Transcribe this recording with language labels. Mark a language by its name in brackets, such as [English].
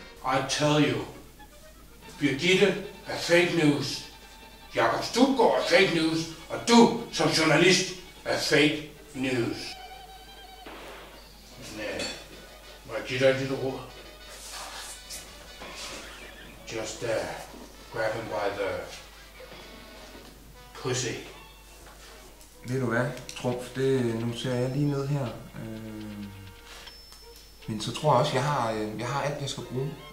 [English] I tell you, [Danish] Birgitte er fake news. Jakob Stubgaard er fake news. Og du som journalist er fake news. Må jeg give dig et lille råd? [English] Just grab him by the pussy. [Danish] Ved du hvad, Trumf, det nu ser jeg lige ned her. Men så tror jeg også, jeg har alt, jeg skal bruge.